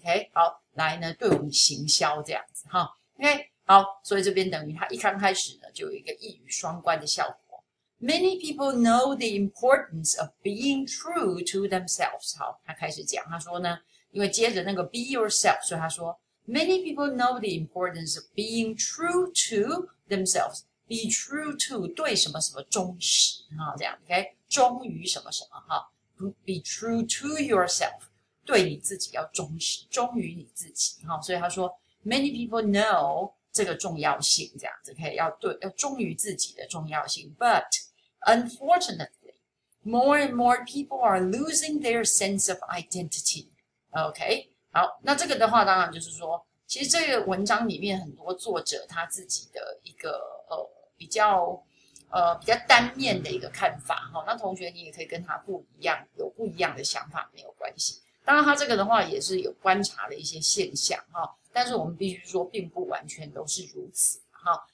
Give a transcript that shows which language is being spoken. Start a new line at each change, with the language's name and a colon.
Chinese: OK， 好，来呢对我们行销这样子哈。OK， 好，所以这边等于他一刚开始呢就有一个一语双关的效果。
English: Many people know the importance of being true to themselves。
Chinese: 好，他开始讲，他说呢因为接着那个
English: be yourself，
Chinese: 所以他说
English: Many people know the importance of being true to themselves. Be true to
Chinese: 对什么什么忠实啊，这样 OK， 忠于什么什么哈。
English: Be true to yourself，
Chinese: 对你自己要忠实，忠于你自己哈。所以他说 ，
English: Many people know
Chinese: 这个重要性，这样子 OK， 要忠于自己的重要性。
English: But unfortunately, more and more people are losing their sense of identity. OK。
Chinese: 好，那这个的话当然就是说其实这个文章里面很多作者他自己的一个比较单面的一个看法哈。那同学你也可以跟他不一样，有不一样的想法没有关系。当然他这个的话也是有观察的一些现象哈，但是我们必须说并不完全都是如此哈。